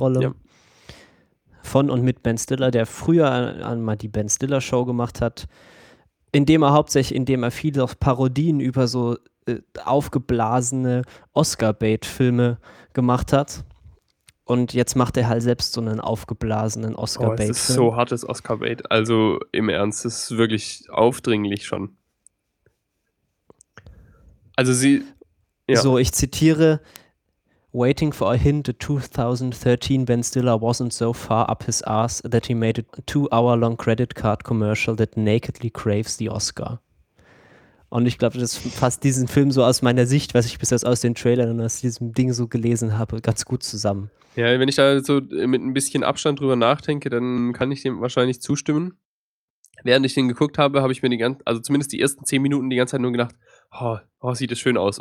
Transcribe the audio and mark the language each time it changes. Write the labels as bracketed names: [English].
[German] Hauptrolle, von und mit Ben Stiller, der früher einmal die Ben Stiller Show gemacht hat, indem er viele Parodien über so aufgeblasene Oscar-Bait-Filme gemacht hat. Und jetzt macht er halt selbst so einen aufgeblasenen Oh, es ist Oscar-Bait-Film. so hartes Oscar-Bait. Also im Ernst, es ist wirklich aufdringlich schon. Also sie, ja. So, ich zitiere: [English] "Waiting for a hint, the 2013 Ben Stiller wasn't so far up his ass that he made a 2-hour-long credit card commercial that nakedly craves the Oscar." [German] Und ich glaube, das fasst diesen Film so aus meiner Sicht, was ich bis jetzt aus den Trailern und aus diesem Ding so gelesen habe, ganz gut zusammen. Ja, wenn ich da so mit ein bisschen Abstand drüber nachdenke, dann kann ich dem wahrscheinlich zustimmen. Während ich den geguckt habe, habe ich mir die ganze, also zumindest die ersten 10 Minuten die ganze Zeit nur gedacht, oh, sieht das schön aus.